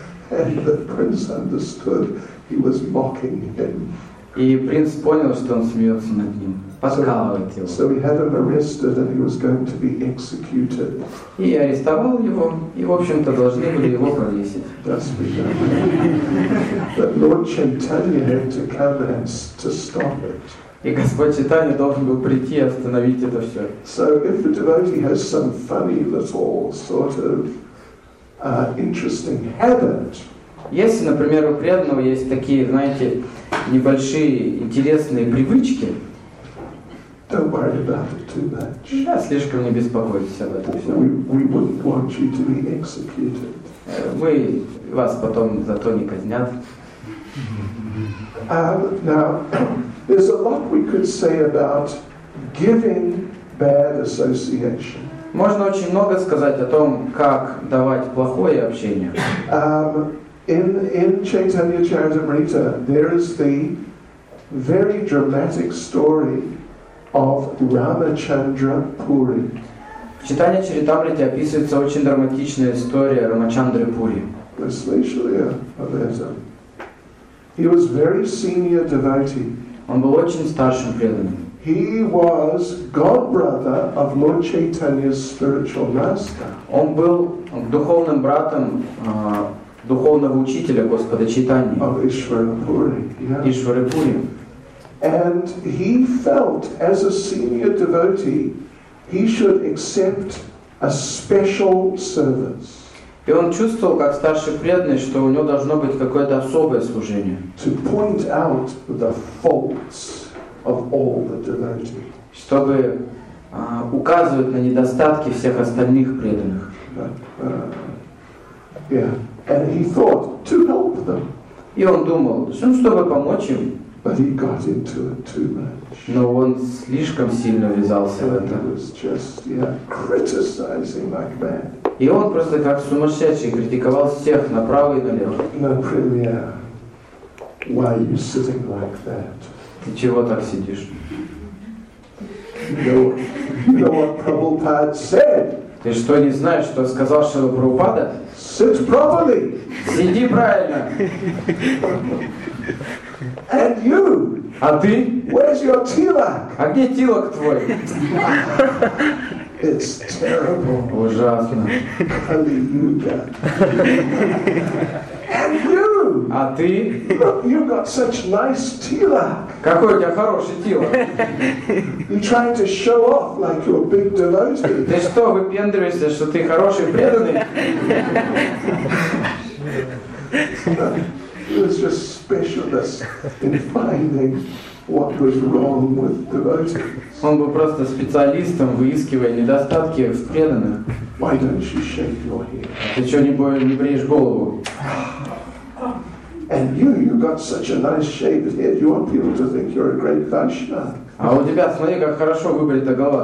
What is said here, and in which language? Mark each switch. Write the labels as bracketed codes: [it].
[en] And the prince understood. He was mocking him. [ru] И принц понял, что он смеется над ним, подкалывает его. [en] So he had him arrested and he was going to be executed. [ru] И арестовал его, и в общем-то должны были его повесить. [en] That's right. But Lord Chaitanya had to come and to stop it. [ru] И Господь Чайтанья должен был прийти и остановить это все. [en] So if the devotee has some funny little sort of interesting habit. [ru] Если, например, у преданного есть такие, знаете, небольшие интересные привычки, [en] Don't worry about it too much. [ru] Да, слишком не беспокойтесь об этом всем. [en] We wouldn't want you to be executed. [ru] Мы вас потом за то не казнят. [en] Now, there's a lot we could say about giving bad association. [ru] Можно очень много сказать о том, как давать плохое общение. [en] In Chaitanya Charitamrita, there is the very dramatic story of Ramachandra Puri. [ru] В Читании Чаритамриты описывается очень драматичная история Рамачандры Пури. Вы слышали об этом? [en] He was very senior devotee. [ru] Он был очень старшим преданным. [en] He was godbrother of Lord Chaitanya's spiritual master. [ru] Он был духовным братом духовного учителя Господа Чайтаньи. [en] Of Ishvara Puri. Yeah. Ishvara Puri. And he felt, as a senior devotee, he should accept a special service. [ru] И он чувствовал, как старший преданный, что у него должно быть какое-то особое служение. [en] To point out the faults of all the devotees. [ru] Чтобы указывать на недостатки всех остальных преданных. [en] Yeah. And he thought to help them. [ru] И он думал, чтобы помочь им. [en] But he got into it too much. [ru] Но он слишком сильно ввязался в это. [en] He was just, yeah, criticizing like mad. [ru] И он просто как сумасшедший критиковал всех направо и налево. [en] No, premier, why are you sitting like that? [ru] Ты чего так сидишь? [en] You know what Prabhupada said? [ru] Ты что не знаешь, что сказал Шрила Прабхупада? [en] Sit properly. [ru] Сиди правильно. [en] And you? [ru] А ты? [en] Where's your tilak? [ru] А где тилок твой? [en] It's terrible. [ru] Ужасно. [en] Kali Yuga. And you? [ru] А ты? [en] Look, you've got such nice tilak. [ru] Какой у тебя хороший тилок. [en] You're trying to show off like you're a big devotee. [ru] Ты что, выпендриваешься, что ты хороший преданный? [en] He was just specialist in finding what was wrong with devotees. [ru] Он был просто специалистом, выискивая недостатки в преданных. [en] Why don't you shave your head? [ru] Ты что, не бреешь голову? [en] And you got such a nice shaved head. You want people to think you're a great Vaishnava. [ru] А у тебя, смотри, как хорошо выбрита голова.